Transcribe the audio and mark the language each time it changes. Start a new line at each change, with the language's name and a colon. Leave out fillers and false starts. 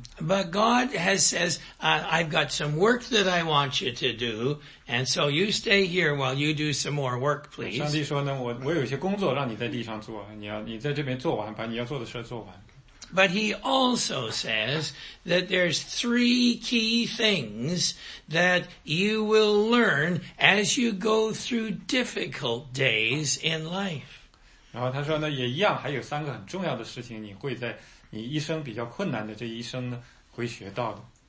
English: But God has says, I've got some work that I want you to do, and so you stay here while you do some more work, please.
Chinese: 上帝说呢，我有些工作让你在地上做，你要你在这边做完，把你要做的事做完。
English: But he also says that there's three key things that you will learn as you go through difficult days in life.
Chinese: 然后他说呢，也一样，还有三个很重要的事情，你会在你一生比较困难的这一生呢，会学到的。